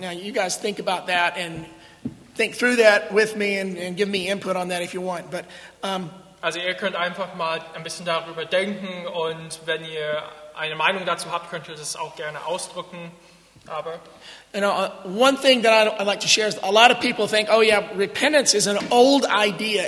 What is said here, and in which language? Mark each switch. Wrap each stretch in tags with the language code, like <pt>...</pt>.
<en>Now you guys think about that and think through that with me and give me input on that if you want. But</en> <de>also ihr könnt einfach mal ein bisschen darüber denken und wenn ihr eine Meinung dazu habt, könnt ihr das auch gerne ausdrücken. Aber</de> <en>you know, one thing that I'd like to share is a lot of people think, oh yeah, repentance is an old idea.</en>